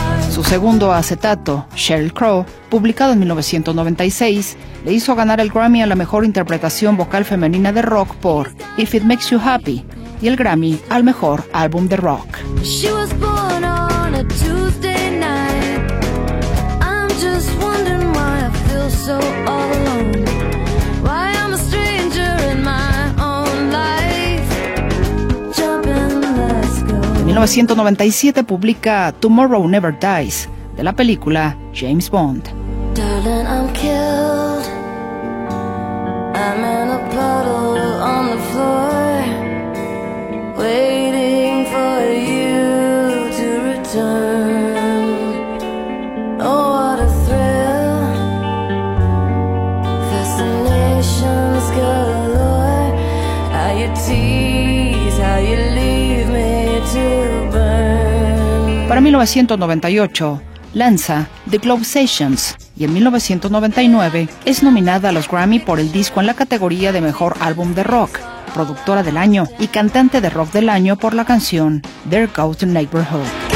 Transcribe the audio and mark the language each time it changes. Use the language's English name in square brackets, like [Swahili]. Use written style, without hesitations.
[Spanish] Su segundo acetato, Sheryl Crow, publicado en 1996, le hizo ganar el Grammy a la mejor interpretación vocal femenina de rock por If It Makes You Happy, y el Grammy al mejor álbum de rock. [English] She was born on a Tuesday night. I'm just wondering why I feel so all alone. Why I'm a stranger in my own life. Jump and let's go. [Spanish] En 1997 publica Tomorrow Never Dies, de la película James Bond. [English] Darling, I'm killed. I'm in a puddle on the floor. Waiting for you to return. Oh, what a thrill. Fascinations galore. How you tease, how you leave me to burn. [Spanish] Para 1998, lanza The Globe Sessions y en 1999 es nominada a los Grammy por el disco en la categoría de Mejor Álbum de Rock, Productora del Año y Cantante de Rock del Año por la canción There Goes the Neighborhood.